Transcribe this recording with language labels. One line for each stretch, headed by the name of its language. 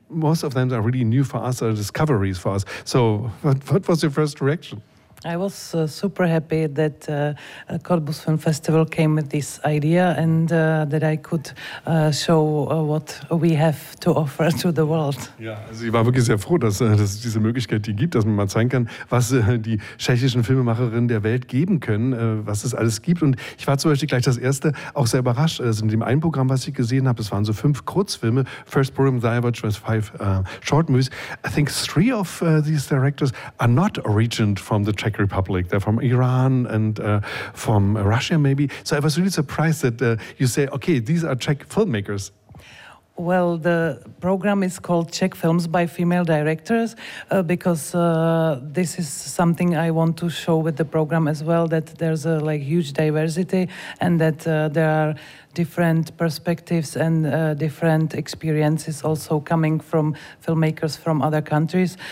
English: Most of them are really new for us, are discoveries for us. So what was your first reaction? I was super happy that Cottbus Film Festival came with this idea and that I could show what we have to offer to the world.
German: Ja, also ich war wirklich sehr froh, dass es diese Möglichkeit die gibt, dass man mal zeigen kann, was die tschechischen Filmemacherinnen der Welt geben können, was es alles gibt. Und ich war zum Beispiel gleich das Erste auch sehr überrascht. Also in dem einen Programm, was ich gesehen habe, es waren so 5 Kurzfilme.
English: First program that I watched was 5 short movies. I think 3 of these directors are not originated from the Czech Republic. They're from Iran and from Russia, maybe. So I was really surprised that you say, okay, these are Czech filmmakers. Well, the program is called Czech Films by Female Directors because this is something I want to show with the program as well, that there's a like huge diversity and that there are different perspectives and different experiences also coming from filmmakers from other countries.